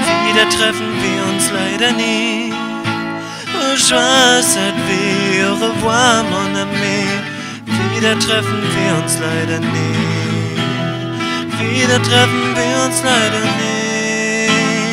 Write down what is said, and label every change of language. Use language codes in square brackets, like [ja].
[de] Il a treffen wir uns leider nie. [fr] Au revoir cette vie, au revoir mon ami. [de] Wieder treffen wir uns leider nie. Wieder treffen wir uns leider nie.